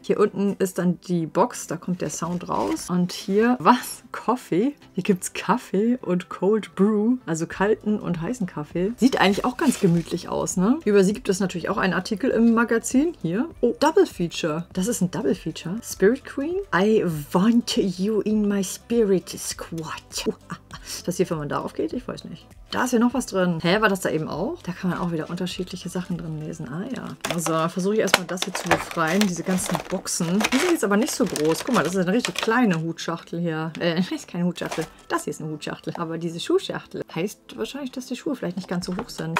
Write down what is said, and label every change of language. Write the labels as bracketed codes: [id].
[de] Hier unten ist dann die Box, da kommt der Sound raus. Und hier, was? Coffee? Hier gibt's Kaffee und Cold Brew, also kalten und heißen Kaffee. Sieht eigentlich auch ganz gemütlich aus, ne? Über sie gibt es natürlich auch einen Artikel im Magazin. Hier. Oh, Double Feature. Das ist ein Double Feature. [en] Spirit Queen. I want you in my spirit squad. [de] Was hier, wenn man darauf geht? Ich weiß nicht. Da ist ja noch was drin. Hä, war das da eben auch? Da kann man auch wieder unterschiedliche Sachen drin lesen. Ah ja. Also, versuche ich erstmal das hier zu befreien. Diese ganzen Boxen. Die sind jetzt aber nicht so groß. Guck mal, das ist eine richtig kleine Hutschachtel hier. Das ist keine Hutschachtel. Das hier ist eine Hutschachtel. Aber diese Schuhschachtel heißt wahrscheinlich, dass die Schuhe vielleicht nicht ganz so hoch sind.